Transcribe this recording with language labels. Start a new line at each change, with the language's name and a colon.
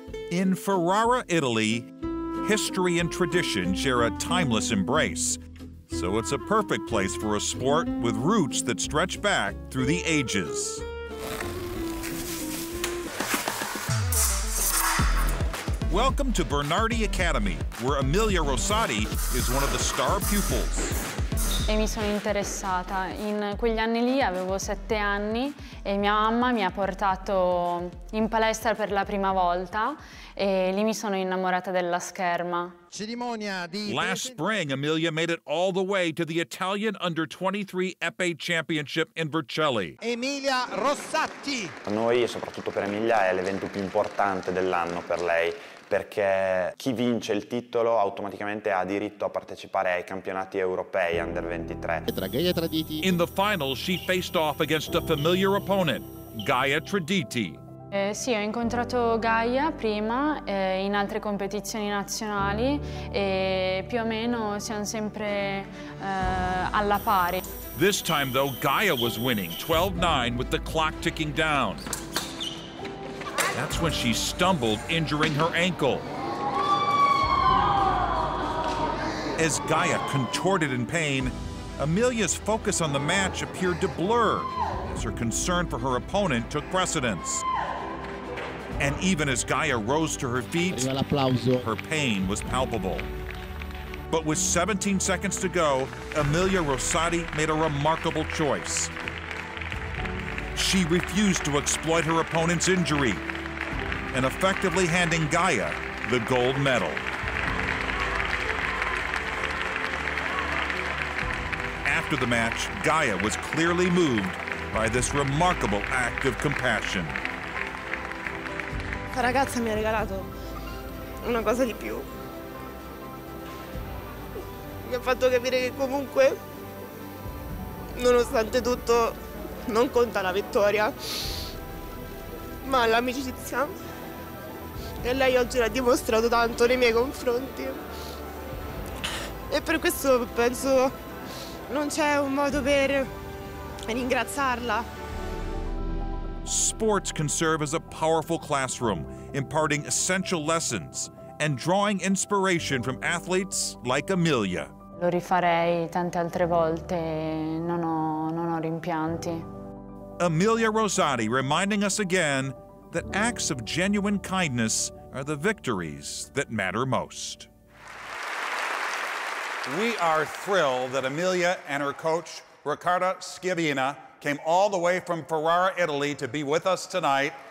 English: In Ferrara, Italy, history and tradition share a timeless embrace, so it's a perfect place for a sport with roots that stretch back through the ages. Welcome to Bernardi Academy, where Emilia Rossati is one of the star pupils.
Italian: E mi sono interessata. In quegli anni lì avevo 7 anni e mia mamma mi ha portato in palestra per la prima volta e lì mi sono innamorata della scherma. Cerimonia di...
English: Last spring, Emilia made it all the way to the Italian Under 23 EPE Championship in Vercelli. Emilia Rossati.
Italian: Per noi, e soprattutto per Emilia, è l'evento più importante dell'anno per lei. Perché chi vince il titolo automaticamente ha diritto a partecipare ai campionati europei under 23.
English: In the final she faced off against a familiar opponent, Gaia Traditi.
Italian: Sì, ho incontrato Gaia prima in altre competizioni nazionali e più o meno siamo sempre alla pari.
English: This time though Gaia was winning 12-9 with the clock ticking down. That's when she stumbled, injuring her ankle. As Gaia contorted in pain, Amelia's focus on the match appeared to blur as her concern for her opponent took precedence. And even as Gaia rose to her feet, her pain was palpable. But with 17 seconds to go, Emilia Rossati made a remarkable choice. She refused to exploit her opponent's injury and effectively handing Gaia the gold medal. After the match, Gaia was clearly moved by this remarkable act of compassion.
Italian: La ragazza mi ha regalato una cosa di più. Mi ha fatto capire che comunque, nonostante tutto, non conta la vittoria, ma l'amicizia. E lei oggi l'ha dimostrato tanto nei miei confronti. E per questo penso non c'è un modo per ringraziarla.
English: Sports can serve as a powerful classroom, imparting essential lessons and drawing inspiration from athletes like Amelia.
Italian: Lo rifarei tante altre volte, non ho rimpianti.
English: Amelia Rosati reminding us again that acts of genuine kindness are the victories that matter most. We are thrilled that Amelia and her coach, Ricarda Schiavina, came all the way from Ferrara, Italy to be with us tonight.